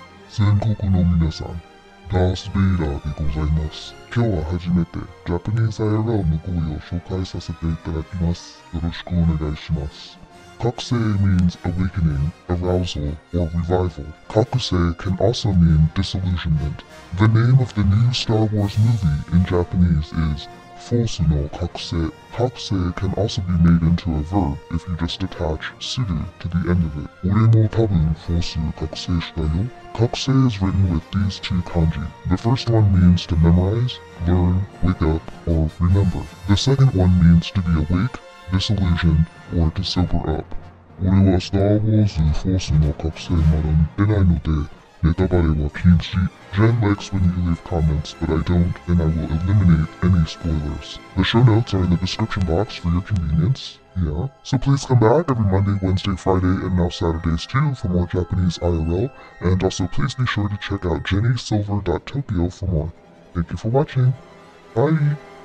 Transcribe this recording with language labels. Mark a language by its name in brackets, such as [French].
[Japanese] 全国の皆さん、ダース・ベイダーでございます。今日は初めてジャパニーズ IRL 向こう語を紹介させていただきます。よろしくお願いします。 [English] Kakusei means awakening, arousal, or revival. Kakusei can also mean disillusionment. The name of the new Star Wars movie in Japanese is Fohsu no 覚醒. Kakusei can also be made into a verb if you just attach suru to the end of it. [Japanese] 俺も多分フォース覚醒したよ. [English] Kakusei is written with these two kanji. The first one means to memorize, learn, wake up, or remember. The second one means to be awake, disillusioned, or to sober up. [Japanese] 俺はスターワーズフォースの覚醒まだみてないので。 Netabare wa kinshi. [English] Jen likes when you leave comments, but I don't, and I will eliminate any spoilers. The show notes are in the description box for your convenience. Yeah. So please come back every Monday, Wednesday, Friday, and now Saturdays too for more Japanese IRL. And also please be sure to check out jennysilver.tokyo for more. Thank you for watching. Bye!